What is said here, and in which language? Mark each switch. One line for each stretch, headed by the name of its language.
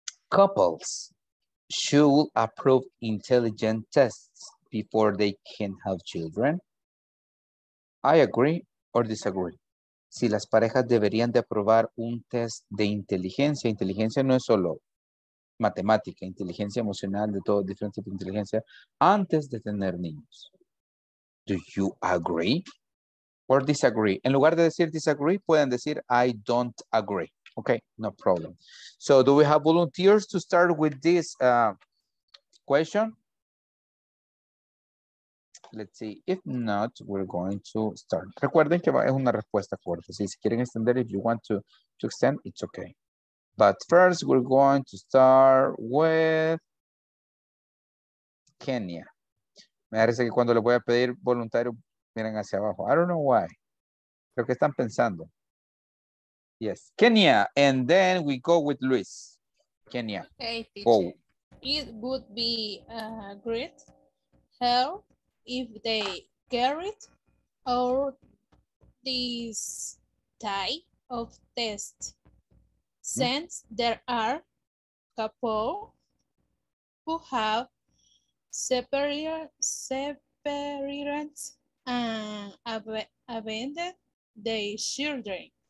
English: Couples should approve intelligent tests before they can have children. I agree or disagree.
Spanish: Si las parejas deberían de aprobar un test de inteligencia. Inteligencia no es solo matemática, inteligencia emocional, de todo, diferentes tipos de inteligencia, antes de tener niños.
English: Do you agree or disagree?
Spanish: En lugar de decir disagree, pueden decir
English: I don't agree. Okay, no problem. So, do we have volunteers to start with this question? Let's see. If not, we're going to start.
Spanish: Recuerden que es una respuesta corta. Si quieren extender,
English: if you want to extend, it's okay. But first, we're going to start with Kenya.
Spanish: Me parece que cuando le voy a pedir voluntario, miren hacia abajo.
English: I don't know why.
Spanish: Creo que están pensando.
English: Yes, Kenya, and then we go with Luis. Kenya. Okay, teacher. It would be a great help if they carried out this type of test, since there are couples who have separated abandoned their children.